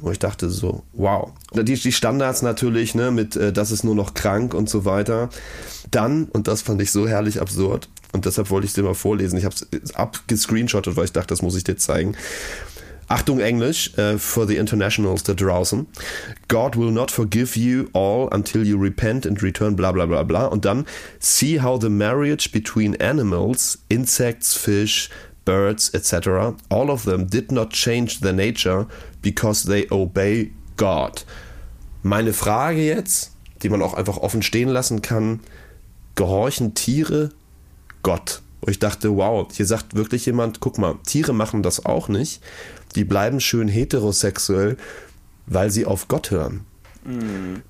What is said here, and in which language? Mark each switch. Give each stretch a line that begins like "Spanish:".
German: Und ich dachte so, wow. Die Standards natürlich, ne, mit das ist nur noch krank und so weiter. Dann, und das fand ich so herrlich absurd, und deshalb wollte ich es dir mal vorlesen. Ich habe es abgescreenshottet, weil ich dachte, das muss ich dir zeigen. Achtung Englisch,
English: for the internationals
German: da draußen.
English: God will not forgive you all until you repent and return, bla bla bla bla.
German: Und dann,
English: see how the marriage between animals, insects, fish, birds, etc., all of them did not change their nature because they obey God.
German: Meine Frage jetzt, die man auch einfach offen stehen lassen kann, gehorchen Tiere Gott? Und ich dachte, wow, hier sagt wirklich jemand, guck mal, Tiere machen das auch nicht. Die bleiben schön heterosexuell, weil sie auf Gott hören. Mhm.